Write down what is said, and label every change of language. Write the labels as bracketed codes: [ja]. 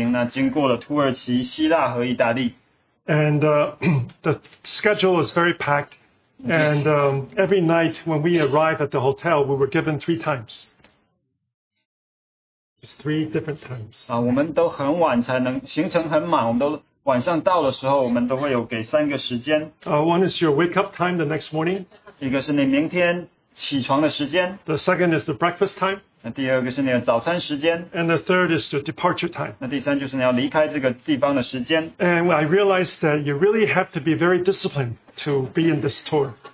[zh] 我们有用三辆的大巴来旅行,那经过了土耳其、希腊和意大利。 [en] And the schedule is very packed. And every night when we arrived at the hotel, we were given three times. Three different times. [zh] 我们都很晚才能行程很满，我们都晚上到的时候，我们都会有给三个时间。 [en] One is your wake up time the next morning. [zh] 一个是你明天起床的时间。 [en] The second is the breakfast time. [zh] 那第二个是你的早餐时间。 [en] And the third is the departure time. [zh] 那第三就是你要离开这个地方的时间。 [en] And I realized that you really have to be very disciplined to be in this tour.